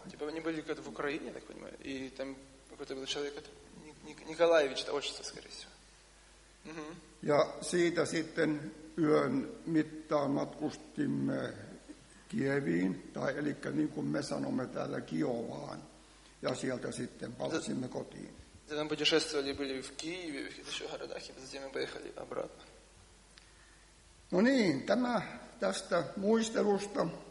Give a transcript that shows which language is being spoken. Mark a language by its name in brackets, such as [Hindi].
[Russian] Типа они были как-то в Украине, так понимаю. И там какой-то был человек, Николаевич, это отчество, скорее всего. [Finnish] Ja siitä sitten yön mittaan matkustimme Kieviin, tai eli niin kuin me sanomme täällä Kiovaan, ja sieltä sitten palasimme kotiin. [Russian] Затем путешествовали были в Киеве, в еще городах, и затем мы поехали обратно. [Finnish] No niin, tämä tästä muistelusta.